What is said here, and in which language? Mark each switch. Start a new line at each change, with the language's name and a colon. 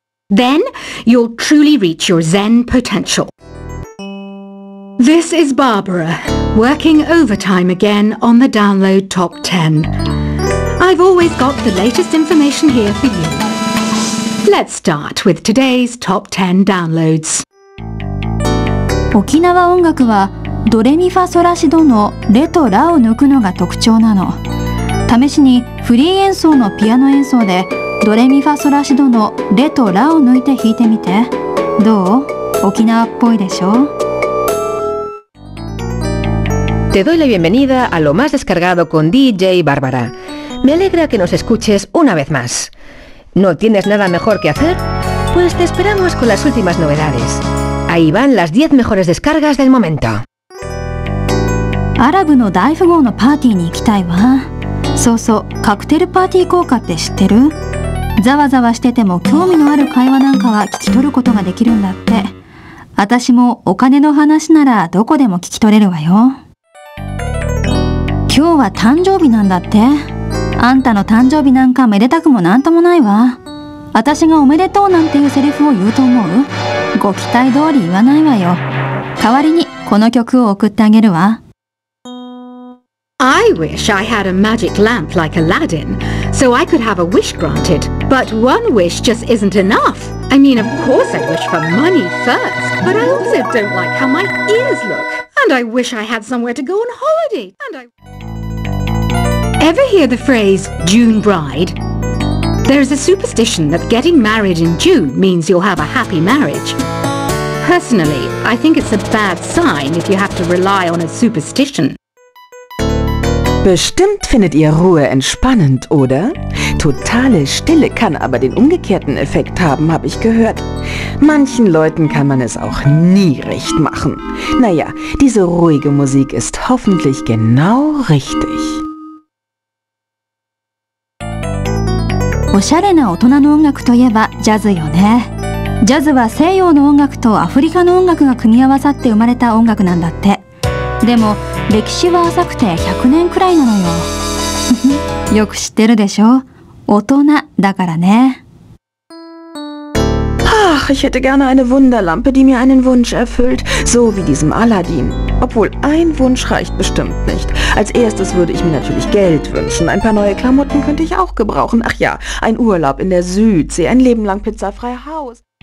English: Then you'll truly reach your Zen potential. This is Barbara, working overtime again on the Download Top 10. I've always got the latest information here for you. Let's start with today's Top 10 downloads.
Japanese: 沖縄音楽はドレミファソラシドのレとラを抜くのが特徴なの。試しにフリー演奏のピアノ演奏でドレミファソラシドのレとラを抜いて弾いてみて。どう？沖縄っぽいでしょ？
Spanish: Te doy la bienvenida a lo más descargado con DJ Bárbara. Me alegra que nos escuches una vez más. ¿No tienes nada mejor que hacer? Pues te esperamos con las últimas novedades. Ahí van las 10 mejores descargas del momento.
Japanese: アラブの大富豪のパーティーに行きたいわ。そうそう、カクテルパーティー効果って知ってる？ざわざわしてても興味のある会話なんかは聞き取ることができるんだって。私もお金の話ならどこでも聞き取れるわよ。今日は誕生日なんだって。あんたの誕生日なんかめでたくもなんともないわ。私がおめでとうなんていうセリフを言うと思う？ご期待通り言わないわよ。代わりにこの曲を送ってあげるわ。
English: I wish I had a magic lamp like Aladdin, so I could have a wish granted. But one wish just isn't enough. I mean, of course I wish for money first, but I also don't like how my ears look. And I wish I had somewhere to go on holiday. And I... Ever hear the phrase June bride? There's a superstition that getting married in June means you'll have a happy marriage. Personally, I think it's a bad sign if you have to rely on a superstition.
German: Bestimmt findet ihr Ruhe entspannend, oder? Totale Stille kann aber den umgekehrten Effekt haben, habe ich gehört. Manchen Leuten kann man es auch nie recht machen. Naja, diese ruhige Musik ist hoffentlich genau richtig.
Japanese: おしゃれな大人の音楽といえばジャズよね。ジャズは西洋の音楽とアフリカの音楽が組み合わさって生まれた音楽なんだって。でも歴史は浅くて100年くらいなのよ。よく知ってるでしょ。大人だからね。
German: Ach, ich hätte gerne eine Wunderlampe, die mir einen Wunsch erfüllt, so wie diesem Aladdin. Obwohl, ein Wunsch reicht bestimmt nicht. Als erstes würde ich mir natürlich Geld wünschen. Ein paar neue Klamotten könnte ich auch gebrauchen. Ach ja, ein Urlaub in der Südsee, ein Leben lang pizzafrei Haus.